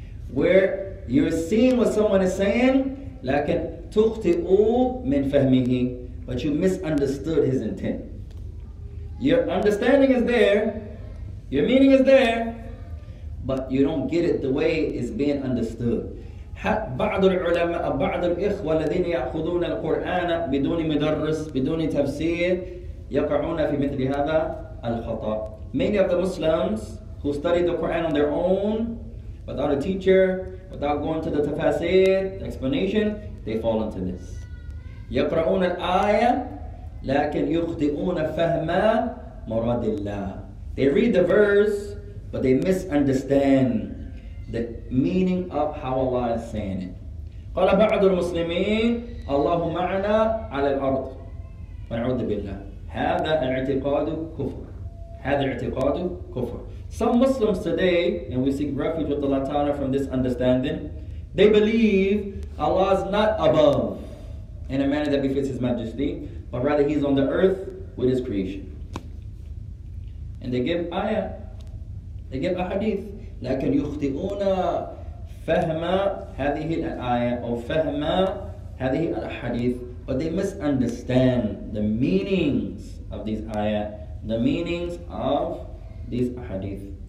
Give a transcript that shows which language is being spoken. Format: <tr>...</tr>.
<en>Where you're seeing what someone is saying,</en> <ar>لكن تخطئ من فهمه.</ar> <en>But you misunderstood his intent. Your understanding is there, your meaning is there, but you don't get it the way it's being understood.</en> <ar>بعض العلماء بعض الإخوة الذين يأخذون القرآن بدون مدرس بدون تفسير يقعون في مثل هذا الخطأ.</ar> <en>Many of the Muslims who study the Quran on their own, without a teacher, without going to the tafsir, the explanation, they fall into this.</en> <ar>يقرؤون الآية لكن يخطئون فهم مراد الله.</ar> <en>They read the verse, but they misunderstand the meaning of how Allah is saying it.</en> <ar>قال بعض المسلمين الله معنا على الأرض ونعوذ بالله هذا الاعتقاد كفر. هذا الاعتقاد كفر.</ar> <en>Some Muslims today, and we seek refuge with Allah Ta'ala from this understanding, they believe Allah is not above in a manner that befits His majesty, but rather He's on the earth with His creation. And they give ayah, they give a hadith.</en> <ar>لكن يخطئون فهم هذه الآية أو فهم هذه الحديث.</ar> <en>But they misunderstand the meanings of these ayah, the meanings of these hadith.</en>